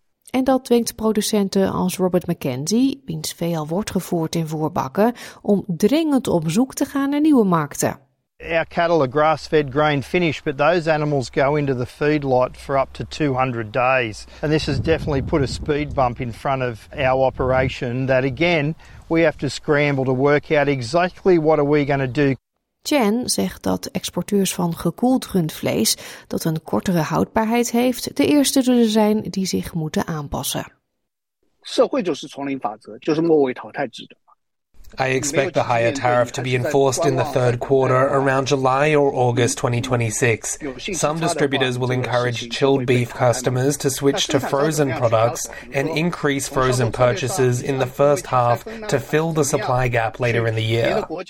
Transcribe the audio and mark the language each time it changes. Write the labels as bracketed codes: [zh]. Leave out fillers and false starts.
[nl] En dat dwingt producenten als Robert McKenzie, wiens vee al wordt gevoerd in voerbakken, om dringend op zoek te gaan naar nieuwe markten. [en] Our cattle are grass-fed, grain-finished, but those animals go into the feedlot for up to 200 days. And this has definitely put a speed bump in front of our operation that, again, we have to scramble to work out exactly what are we going to do. [nl] Chen zegt dat exporteurs van gekoeld rundvlees dat een kortere houdbaarheid heeft, de eerste zullen zijn die zich moeten aanpassen. [en] I expect the higher tariff to be enforced in the third quarter around July or August 2026. Some distributors will encourage chilled beef customers to switch to frozen products and increase frozen purchases in the first half to fill the supply gap later in the year.